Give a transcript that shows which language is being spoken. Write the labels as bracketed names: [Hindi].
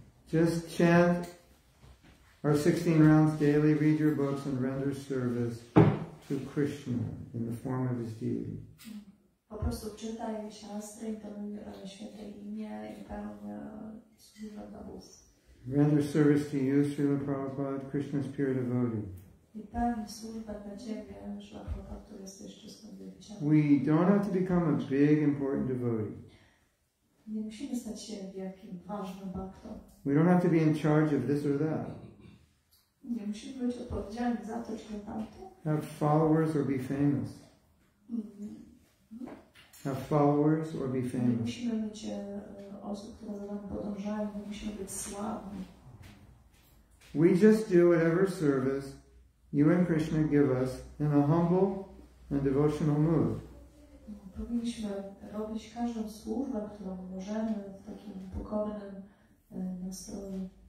[English] Just chant our 16 rounds daily, read your books, and render service to Krishna in the form of his deity. [Polish] Po prostu czytaj szastry, intonuj święte imię i pełnię służbę dla was. [English] Render service to you, Srila Prabhupada, Krishna's pure devotee. [Polish] I pełnię służbę dla ciebie, Srila Prabhupada, który jesteś czystą dziewicą. [English] We don't have to become a big, important devotee. [Polish] Nie musimy stać się wielkim, ważnym baktą. [English] We don't have to be in charge of this or that. [Polish] Nie musimy być odpowiedzialni za to, czy tamto. [English] Have followers or be famous. Have followers or be famous. [Polish] Nie musimy mieć osób, które za nami podążają, nie musimy być sławni. [English] We just do whatever service you and Krishna give us in a humble and devotional mood. [Polish] Powinniśmy robić każdą służbę, którą możemy w takim pokornym nastroju.